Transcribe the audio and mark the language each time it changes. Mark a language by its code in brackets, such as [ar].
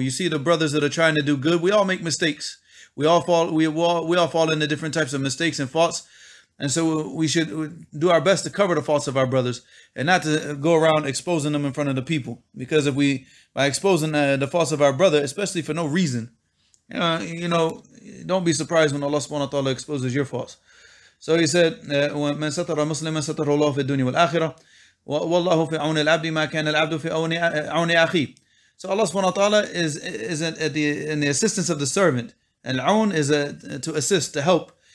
[en] You see the brothers that are trying to do good, we all make mistakes. We all fall into different types of mistakes and faults. And so we should do our best to cover the faults of our brothers and not to go around exposing them in front of the people. Because if we, by exposing the faults of our brother, especially for no reason, don't be surprised when Allah subhanahu wa ta'ala exposes your faults. [ar] So he said, مَنْ سَتَرَ مُسْلِمًا سَتَرَ اللَّهُ فِي الدُّنْيَا وَالْآخِرَةِ وَاللَّهُ فِي عَوْنِ الْعَبْدِ مَا كَانَ الْعَبْدُ فِي عَوْنِ أَخِي [en] So Allah subhanahu wa ta'ala is in the assistance of the servant. And al-'aun is to assist, to help.